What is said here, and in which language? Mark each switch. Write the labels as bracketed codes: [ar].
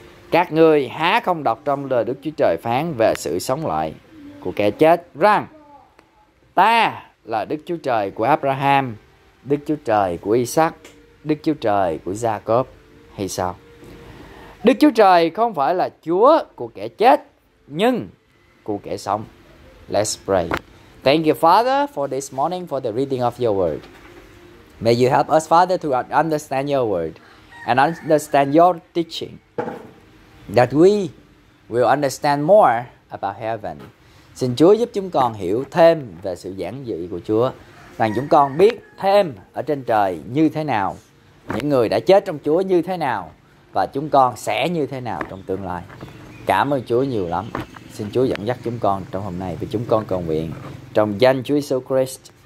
[vi] Các ngươi há không đọc trong lời Đức Chúa Trời phán về sự sống lại của kẻ chết rằng, ta là Đức Chúa Trời của Abraham, Đức Chúa Trời của Isaac, Đức Chúa Trời của Jacob hay sao? Đức Chúa Trời không phải là Chúa của kẻ chết, nhưng của kẻ sống. [en] Let's pray. Thank you, Father, for this morning, for the reading of your word. May you help us, Father, to understand your word and understand your teaching, that we will understand more about heaven. [vi] Xin Chúa giúp chúng con hiểu thêm về sự giảng dị của Chúa, rằng chúng con biết thêm ở trên trời như thế nào, những người đã chết trong Chúa như thế nào, và chúng con sẽ như thế nào trong tương lai. Cảm ơn Chúa nhiều lắm. Xin Chúa dẫn dắt chúng con trong hôm nay, vì chúng con cầu nguyện trong danh Chúa Jesus Christ.